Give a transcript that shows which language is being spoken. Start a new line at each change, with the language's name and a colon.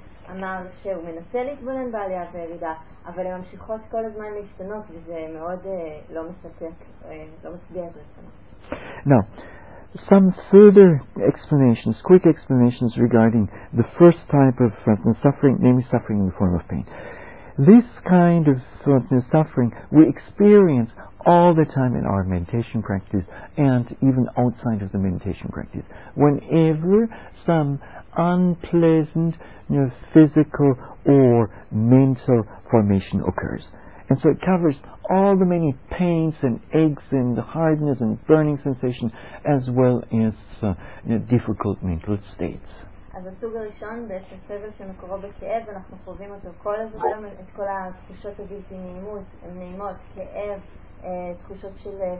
Hebrew: אמר שהוא מנסה להתבונן בעלייה וירידה, אבל הם ממשיכות כל הזמן להשתנות, וזה מאוד לא מספק, לא מצביע את רצונו.
English: Now, some further explanations, quick explanations regarding the first type of suffering, namely suffering in the form of pain. This kind of suffering we experience all the time in our meditation practice and even outside of the meditation practice. Whenever some unpleasant physical or mental formation occurs. And so it covers all the many pains and aches and hardness and burning sensation as well as difficult mental states.
Hebrew: אז הסוג הראשון בעצם סבל שמקורו בכאב, אנחנו חווים אותו כל הזמן, את כל התחושות הבלתי נעימות, נעימות, כאב, תחושות של...